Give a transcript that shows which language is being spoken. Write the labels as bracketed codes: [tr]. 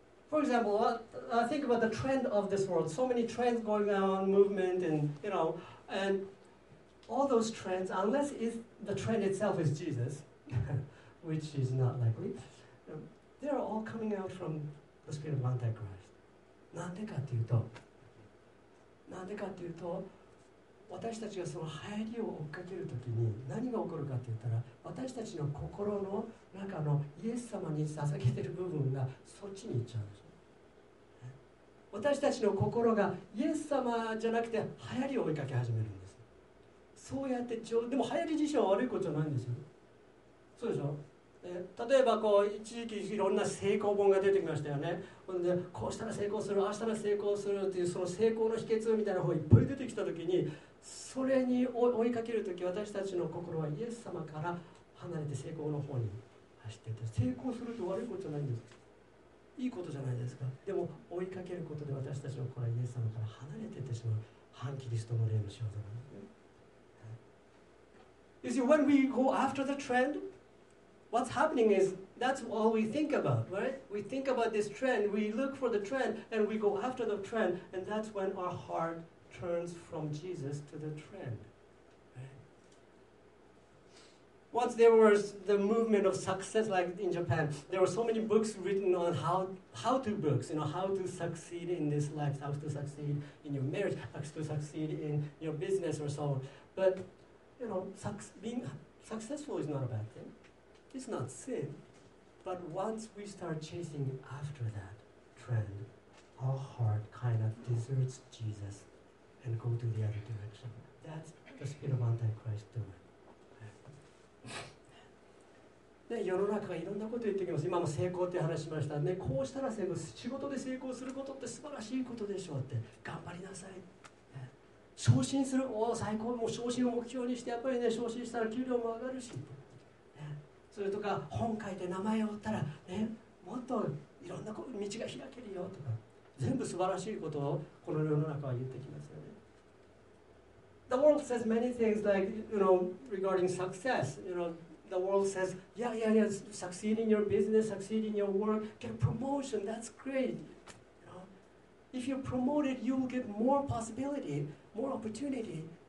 [en] For example, I think about the trend of this world. So many trends going on, movement, and you know, andAll those trends, unless the trend itself is Jesus, which is not likely, they are all coming out from the spirit of Antichrist. [ja] なんでかっていうと、なんでかっていうと、私たちがその流行りを追っかけるときに何が起こるかって言ったら、私たちの心の中のイエス様に捧げている部分がそっちに行っちゃうんです。私たちの心がイエス様じゃなくて流行りを追いかけ始めるんです。そうやってちょでも流行り自身は悪いことじゃないんですよ。そうでしょ。例えばこう一時期いろんな成功本が出てきましたよね。ほんでこうしたら成功する、ああしたら成功するっていうその成功の秘訣みたいな本がいっぱい出てきたときに、それに追いかけるとき私たちの心はイエス様から離れて成功の方に走っていって、成功すると悪いことじゃないんです。いいことじゃないですか。でも追いかけることで私たちの心はイエス様から離れていってしまう。反キリストの霊の仕業なんですね。 [en] You see, when we go after the trend,What's happening is that's all we think about, right? We think about this trend, we look for the trend, and we go after the trend, and that's when our heart turns from Jesus to the trend. Right? Once there was the movement of success, like in Japan, there were so many books written on how to books, you know, how to succeed in this life, how to succeed in your marriage, how to succeed in your business or so on. But, you know, being successful is not a bad thing. It's not sin, but once we start chasing after that trend, our heart kind of deserts Jesus and go to the other direction. That's the spirit of Antichrist doing. [ja] ね、世の中がいろんなことを言ってきます。今も成功って話しましたね。こうしたら成功、仕事で成功することって素晴らしいことでしょうって。頑張りなさい。昇進する、おお最高、もう昇進を目標にしてやっぱりね、昇進したら給料も上がるし。それとか本書いて名前を売ったら、ね、もっといろんな道が開けるよとか、全部素晴らしいことをこの世の中は言ってきますよね。 [en] The world says many things like, you know, regarding success. You know, the world says, yeah, yeah, yeah, succeed in your business, succeed in your work, get promotion, that's great. You know, if you're promoted, you will get more possibility, more opportunity.